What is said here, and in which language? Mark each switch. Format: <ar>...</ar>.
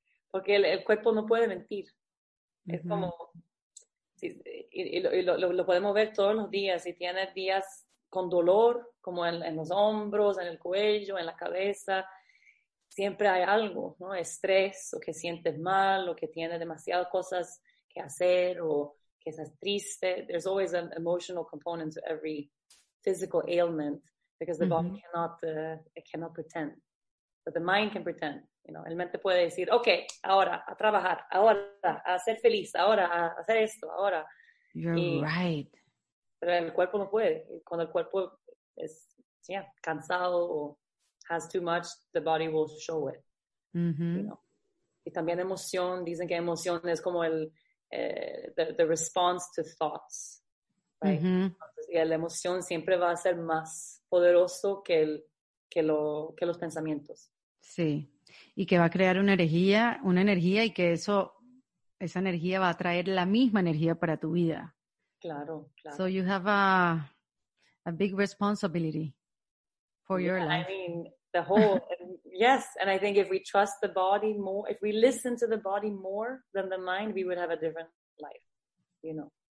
<es>Porque el cuerpo no puede mentir. Es como, y lo podemos ver todos los días. Si tienes días con dolor, como en los hombros, en el cuello, en la cabeza, siempre hay algo, ¿no? Estrés, o que sientes mal, o que tienes demasiadas cosas que hacer, o que estás triste.</es> <en>There's always an emotional component to every physical ailment because the body cannot pretend. But the mind can pretend, you know.</en> <es>El mente puede decir, okay, ahora, a trabajar, ahora, a ser feliz, ahora, a hacer esto, ahora.</es> <en>You're right.</en> <es>Pero el cuerpo no puede. Cuando el cuerpo es, cansado o</es> <en>has too much, the body will show it. You know?</en> <es>Y también emoción, dicen que emoción es como</es> <en>the response to thoughts, right?</en> <es>Entonces, y la emoción siempre va a ser más poderoso que los pensamientos. Sí, y que va a crear una energía, y que esa energía va a traer la misma energía para tu vida. Claro, claro.</es> <en>So you have a big responsibility for your life. I mean, the whole, yes, and I think if we trust the body more, if we listen to the body more than the mind, we would have a different life, you know.</en>